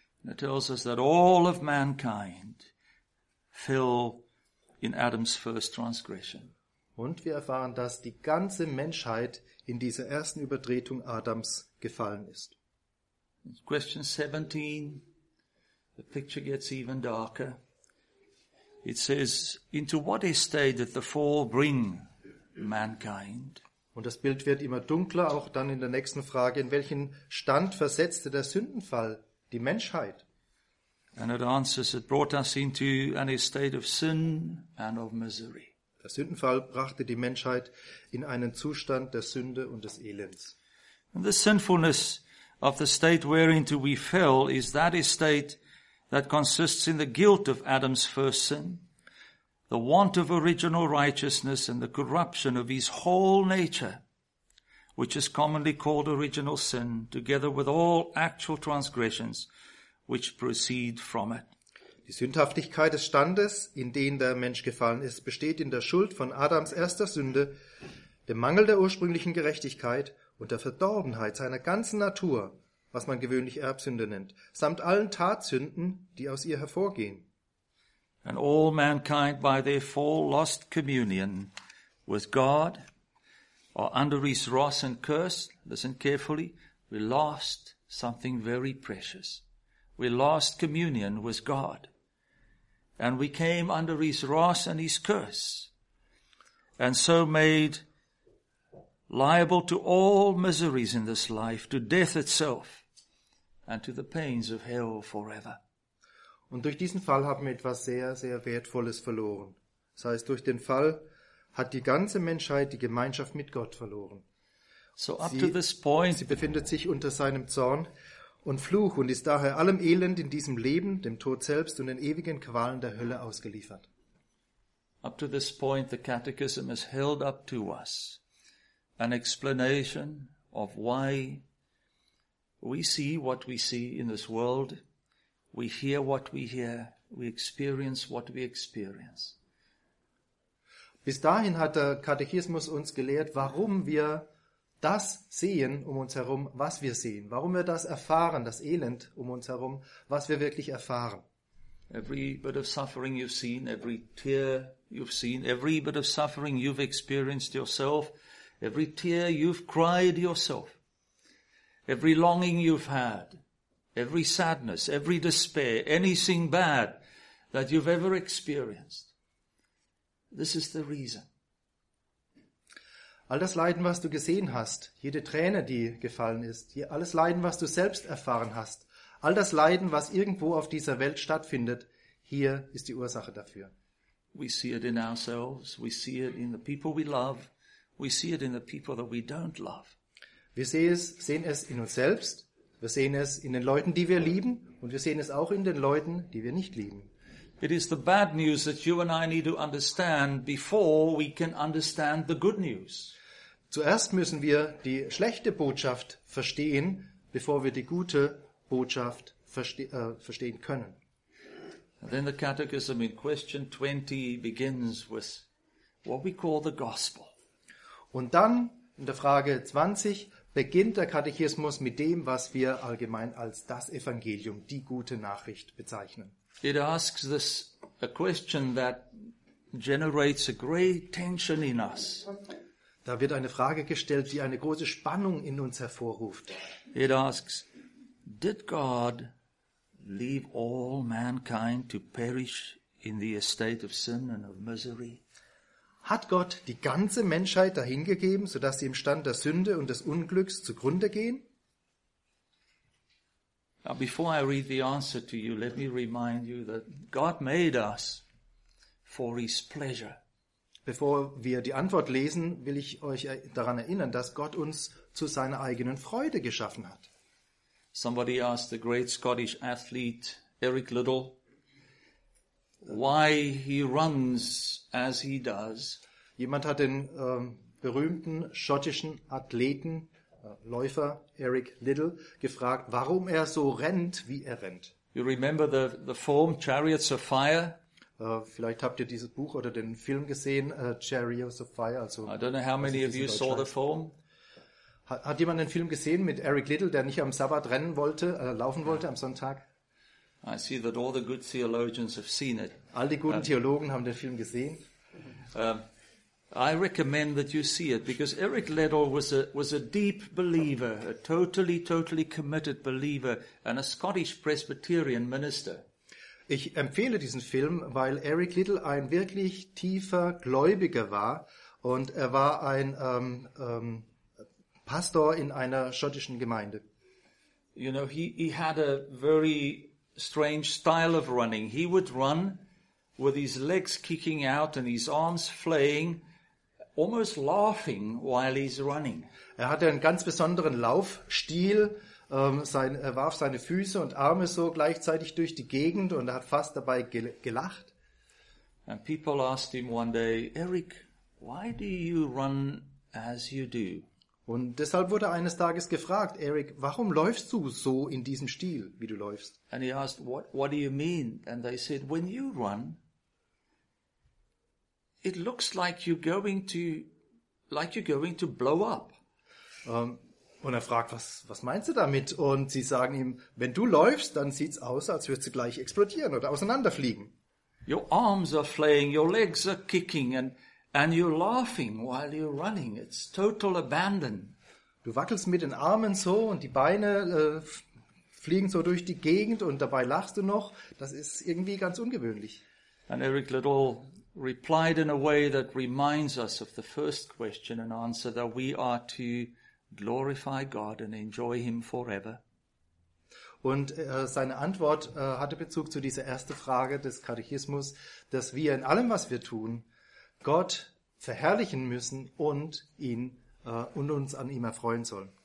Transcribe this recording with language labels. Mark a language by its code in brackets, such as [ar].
[en] And it tells us that all of mankind fell in Adam's first transgression. [de] Und wir erfahren, dass die ganze Menschheit in dieser ersten Übertretung Adams gefallen ist. [en] Question 17, the picture gets even darker. It says, into what estate did the fall bring mankind? [de] Und das Bild wird immer dunkler, auch dann in der nächsten Frage, in welchen Stand versetzte der Sündenfall die Menschheit? [en] And it answers, it brought us into an estate of sin and of misery. [de] Der Sündenfall brachte die Menschheit in einen Zustand der Sünde und des Elends. [en] And the sinfulness of the state whereinto we fell is that estate that consists in the guilt of Adam's first sin, the want of original righteousness and the corruption of his whole nature, which is commonly called original sin, together with all actual transgressions which proceed from it. [de] Die Sündhaftigkeit des Standes, in den der Mensch gefallen ist, besteht in der Schuld von Adams erster Sünde, dem Mangel der ursprünglichen Gerechtigkeit und der Verdorbenheit seiner ganzen Natur, was man gewöhnlich Erbsünde nennt, samt allen Tatsünden, die aus ihr hervorgehen. [en] And all mankind by their fall lost communion with God, or under his wrath and curse, listen carefully, we lost something very precious. We lost communion with God, and we came under his wrath and his curse, and so made liable to all miseries in this life, to death itself, and to the pains of hell forever. [de] Und durch diesen Fall haben wir etwas sehr, sehr Wertvolles verloren. Das heißt, durch den Fall hat die ganze Menschheit die Gemeinschaft mit Gott verloren. [en] So up to this point, [de] sie befindet sich unter seinem Zorn und Fluch und ist daher allem Elend in diesem Leben, dem Tod selbst und den ewigen Qualen der Hölle ausgeliefert. [en] Up to this point, the Catechism has held up to us an explanation of why we see what we see in this world, we hear what we hear, we experience what we experience. [de] Bis dahin hat der Katechismus uns gelehrt, warum wir das sehen um uns herum, was wir sehen. Warum wir das erfahren, das Elend um uns herum, was wir wirklich erfahren. [en] Every bit of suffering you've seen, every tear you've seen, every bit of suffering you've experienced yourself, Every tear you've cried yourself. Every longing you've had. Every sadness, every despair, anything bad that you've ever experienced. This is the reason. [de] All das Leiden, was du gesehen hast, jede Träne, die gefallen ist, alles Leiden, was du selbst erfahren hast, all das Leiden, was irgendwo auf dieser Welt stattfindet, hier ist die Ursache dafür. [en] We see it in ourselves, we see it in the people we love, we see it in the people that we don't love. [de] Wir sehen es in uns selbst, wir sehen es in den Leuten, die wir lieben, und wir sehen es auch in den Leuten, die wir nicht lieben. [en] It is the bad news that you and I need to understand before we can understand the good news. [de] Zuerst müssen wir die schlechte Botschaft verstehen, bevor wir die gute Botschaft verstehen können. [en] And then the catechism in question 20 begins with what we call the gospel. [de] Und dann in der Frage 20 beginnt der Katechismus mit dem, was wir allgemein als das Evangelium, die gute Nachricht bezeichnen. [en] It asks this a question that generates a great tension in us. [de] Da wird eine Frage gestellt, die eine große Spannung in uns hervorruft. [en] It asks, did God leave all mankind to perish in the estate of sin and of misery? [de] Hat Gott die ganze Menschheit dahingegeben, sodass sie im Stand der Sünde und des Unglücks zugrunde gehen? [en] Before I read the answer to you, let me remind you that God made us for his pleasure. [de] Bevor wir die Antwort lesen, will ich euch daran erinnern, dass Gott uns zu seiner eigenen Freude geschaffen hat. [en] Somebody asked the great Scottish athlete Eric Liddell why he runs as he does. [de] Jemand hat den berühmten schottischen Athleten Läufer Eric Liddell gefragt, warum er so rennt, wie er rennt. [en] You remember the film Chariots of Fire? [de] Vielleicht habt ihr dieses Buch oder den Film gesehen, Chariots of Fire. [en] Also, I don't know how many of you saw the film. [de] Hat jemand den Film gesehen mit Eric Liddell, der nicht am Sabbat rennen wollte, laufen wollte am Sonntag? [en] I see that all the good theologians have seen it. [de] All die guten Theologen haben den Film gesehen. [en] I recommend that you see it because Eric Liddell was a deep believer, a totally, totally committed believer and a Scottish Presbyterian minister. [de] Ich empfehle diesen Film, weil Eric Liddell ein wirklich tiefer Gläubiger war und er war ein Pastor in einer schottischen Gemeinde. [en] You know, he had a very strange style of running. He would run with his legs kicking out and his arms flailing, almost laughing while he's running. [de] Er hatte einen ganz besonderen Laufstil. Er warf seine Füße und Arme so gleichzeitig durch die Gegend und er hat fast dabei gelacht. [en] And people asked him one day, Eric, why do you run as you do? [de] Und deshalb wurde eines Tages gefragt, Eric, warum läufst du so in diesem Stil, wie du läufst? [en] And he asked, what do you mean? And they said, when you run, it looks like you're going to blow up. [de] Und er fragt, was meinst du damit? Und sie sagen ihm, wenn du läufst, dann sieht's aus, als würdest du gleich explodieren oder auseinanderfliegen. [en] Your arms are flailing, your legs are kicking and you're laughing while you're running. It's total abandon. [de] Du wackelst mit den Armen so und die Beine fliegen so durch die Gegend und dabei lachst du noch. Das ist irgendwie ganz ungewöhnlich. [en] And Eric Liddell replied in a way that reminds us of the first question and answer, that we are to glorify God and enjoy him forever. [de] Und seine Antwort hatte Bezug zu dieser ersten Frage des Katechismus, dass wir in allem, was wir tun, Gott verherrlichen müssen und ihn und uns an ihm erfreuen sollen.